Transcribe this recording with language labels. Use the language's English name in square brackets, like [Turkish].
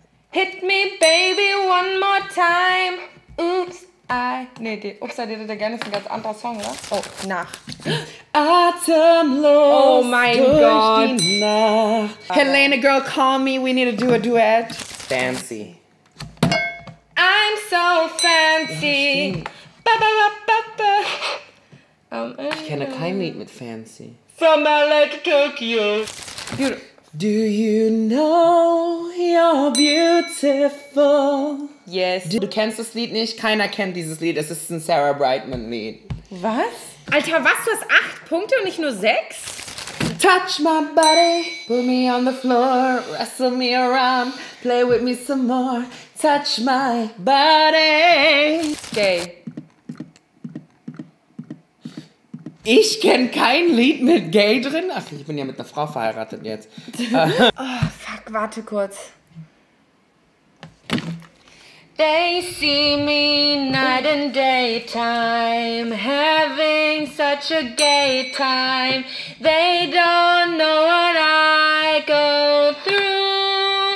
[English] Hit me, baby, one more time. Oops. [German] Der hat ja gerne ein ganz anderer Song, oder? Oh, Nacht. Atemlos. Oh mein durch Gott. Die Nacht. [English] Helena, girl, call me. We need to do a duet. Fancy. I'm so fancy. [German] Ja, [English] ba, ba, ba, ba. [German] Ich kenne kein Lied mit Fancy. [English] From LA to Tokyo. Do you know you're beautiful? Yes. [German] Du kennst das Lied nicht? Keiner kennt dieses Lied. Es ist ein Sarah Brightman-Lied. Was? Alter, was? Du hast 8 Punkte und nicht nur 6? [English] Touch my body, put me on the floor, wrestle me around, play with me some more. Touch my body. Okay. [German] Ich kenne kein Lied mit Gay drin. Ach, ich bin ja mit einer Frau verheiratet jetzt. [English] Oh, fuck, [German] warte kurz. [English] They see me night and day time, having such a gay time. They don't know what I go through.